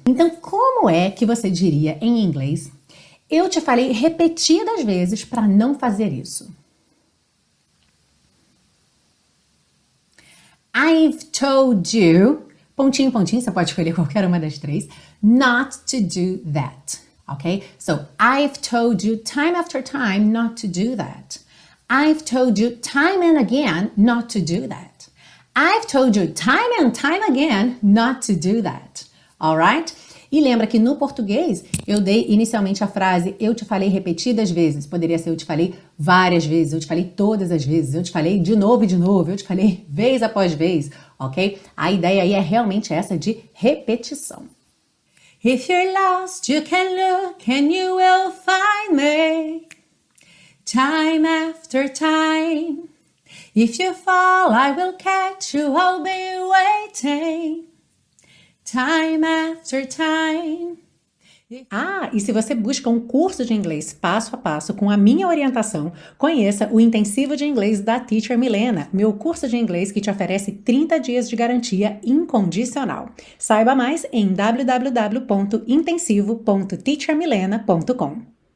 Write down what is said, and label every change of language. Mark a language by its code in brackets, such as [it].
[pt] Então, como é que você diria em inglês? Eu te falei repetidas vezes para não fazer isso. [en] I've told you, [pt] pontinho, pontinho, você pode escolher qualquer uma das três, [en] not to do that, [pt] ok? [en] So, I've told you time after time not to do that. I've told you time and again not to do that. I've told you time and time again not to do that, alright? [pt] E lembra que no português, eu dei inicialmente a frase, eu te falei repetidas vezes, poderia ser eu te falei várias vezes, eu te falei todas as vezes, eu te falei de novo e de novo, eu te falei vez após vez, ok? A ideia aí é realmente essa de repetição. [en] If you're lost, you can look and you will find me, time after time. If you fall, I will catch you, I'll be waiting. Time after time. [pt] Ah, e se você busca um curso de inglês passo a passo com a minha orientação, conheça o Intensivo de Inglês da Teacher Milena, meu curso de inglês que te oferece 30 dias de garantia incondicional. Saiba mais em www.intensivo.teachermilena.com.